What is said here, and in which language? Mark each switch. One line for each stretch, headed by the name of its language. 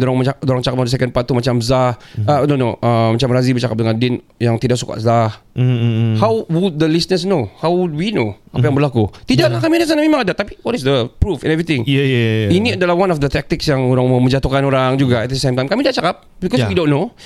Malay: Dorong cakap pada second part tu macam Zah. Macam Razi bercakap dengan Din yang tidak suka Zah.
English: How would the listeners know? How would we know apa yang berlaku? Tidak lah, kami di sana memang ada. Tapi what is the proof and everything? Yeah.
Malay: Ini adalah one of the tactics yang orang mau menjatuhkan orang juga.
English: At the same time, kami dah cakap because we don't know.